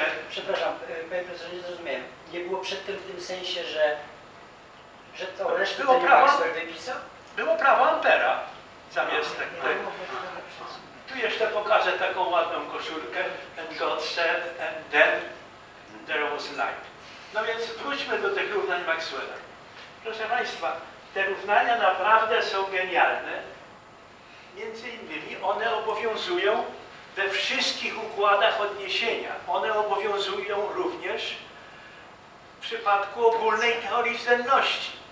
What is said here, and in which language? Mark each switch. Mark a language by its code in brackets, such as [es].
[pl] Przepraszam, panie profesorze, nie zrozumiałem. Nie było przed tym w tym sensie, że to resztę było prawo, Maxwell dopisał? Było prawo ampera zamiast tego. Tak. Tu jeszcze pokażę taką ładną koszulkę. [en] And God said, and then there was light. [pl] No więc wróćmy do tych równań Maxwella. Proszę Państwa, te równania naprawdę są genialne. Między innymi one obowiązują we wszystkich układach odniesienia. One obowiązują również w przypadku ogólnej teorii względności.